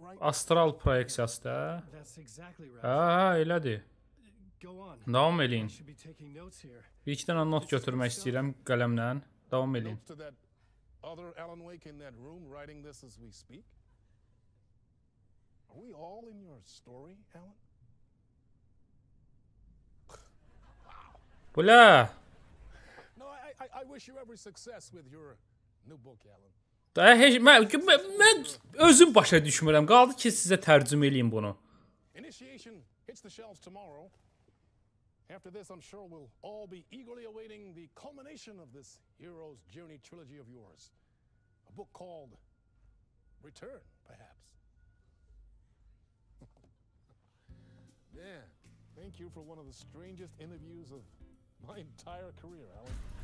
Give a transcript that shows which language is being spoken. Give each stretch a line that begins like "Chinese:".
Azerbaijani: Astral proyeksiyası da. Hə, elədir. Davam edin. Bir iki dənə not götürmək istəyirəm qələmlə. Davam edin.
English: Other Alan Wake in that room writing this as we speak. Are we all in your story, Alan? Bula. No, I wish you every success with your new book, Alan.
Azerbaijani: Da heç mən özüm başa düşmürəm. Qaldı ki sizə tərcümə eləyim bunu.
English: Initiation hits the shelves tomorrow. After this, I'm sure we'll all be eagerly awaiting the culmination of this hero's journey trilogy of yours. A book called Return, perhaps. Man, thank you for one of the strangest interviews of my entire career, Alan.